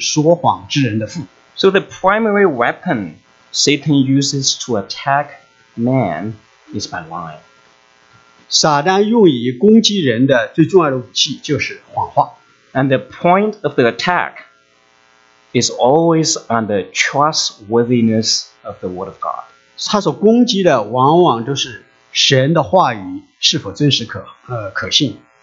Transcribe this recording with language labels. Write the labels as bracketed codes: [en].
[zh] 在福音书里面，耶稣基督讲到撒旦说他是，不仅说他是个说谎者，更说他是说谎之人的父。So [en] the primary weapon Satan uses to attack man is by lying. [zh] 撒旦用以攻击人的最重要的武器就是谎话。And [en] the point of the attack is always on the trustworthiness of the Word of God. [zh] 他所攻击的往往都是神的话语是否真实可信。